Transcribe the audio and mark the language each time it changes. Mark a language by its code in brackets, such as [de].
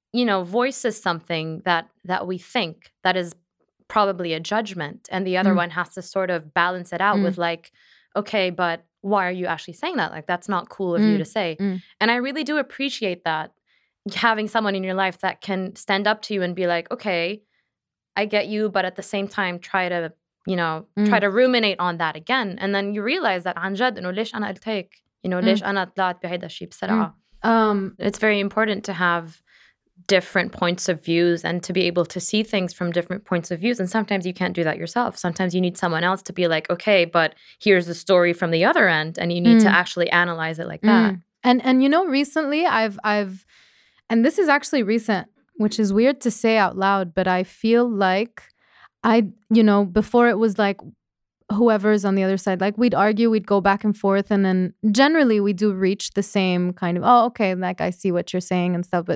[en] you know, voices something that we think that is probably a judgment, and the other one has to sort of balance it out with like, okay, but why are you actually saying that? Like, that's not cool of you to say. Mm. And I really do appreciate that, having someone in your life that can stand up to you and be like, okay, I get you, but at the same time, try to, you know, try to ruminate on that again. And then you realize that, anjad, [ar] إنو ليش أنا ألتيك, [en] you know, [ar] ليش أنا طلعت بهيدا الشيء بسرعة. [en] It's very important to have different points of views and to be able to see things from different points of views. And sometimes you can't do that yourself. Sometimes you need someone else to be like, okay, but here's the story from the other end, and you need to actually analyze it like that. And you know, recently I've, and this is actually recent, which is weird to say out loud, but I feel like I, you know, before it was like whoever's on the other side, like we'd argue, we'd go back and forth, and then generally we do reach the same kind of, oh, okay, like I see what you're saying and stuff.